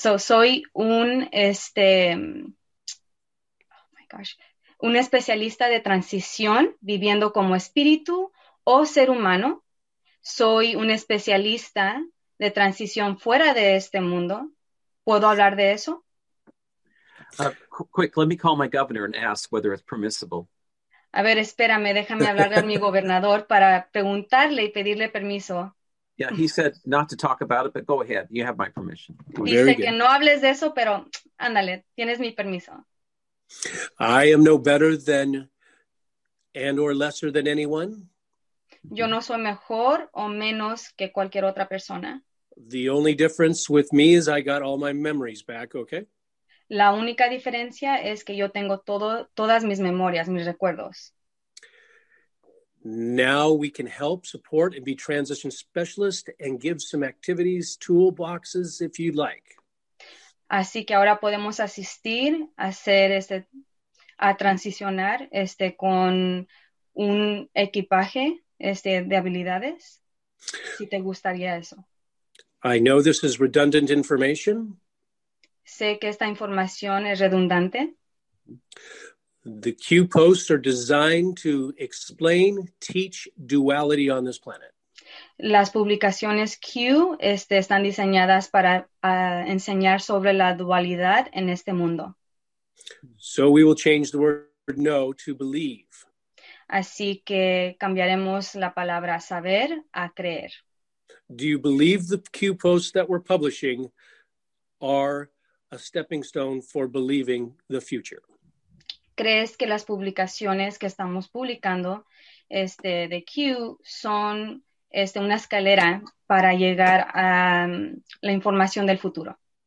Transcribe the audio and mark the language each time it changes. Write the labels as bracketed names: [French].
[Spanish] So soy un, un especialista de transición viviendo como espíritu o ser humano. Soy un especialista de transición fuera de este mundo. ¿Puedo hablar de eso? [English] Quick, let me call my governor and ask whether it's permissible. [Spanish] A ver, espérame, déjame hablar con mi gobernador para preguntarle y pedirle permiso. [English] Yeah, he said not to talk about it, but go ahead. You have my permission. Dice very que good. [Spanish] No hables de eso, pero ándale, tienes mi permiso. [English] I am no better than and or lesser than anyone. [Spanish] Yo no soy mejor o menos que cualquier otra persona. [English] The only difference with me is I got all my memories back, okay? [Spanish] La única diferencia es que yo tengo todas mis memorias, mis recuerdos. [English] Now we can help, support, and be transition specialists and give some activities, toolboxes, if you'd like. [Spanish] Así que ahora podemos asistir a hacer a transicionar con un equipaje de habilidades, si te gustaría eso. [English] I know this is redundant information. [Spanish] Sé que esta información es redundante. [English] The Q posts are designed to explain, teach duality on this planet. [Spanish] las publicaciones Q están diseñadas para enseñar sobre la dualidad en este mundo. [English] So we will change the word no to believe. [Spanish] Así que cambiaremos la palabra saber a creer. [English] Do you believe the Q posts that we're publishing are a stepping stone for believing the future? [Spanish] ¿Crees que las publicaciones que estamos publicando de Q son una escalera para llegar a la información del futuro?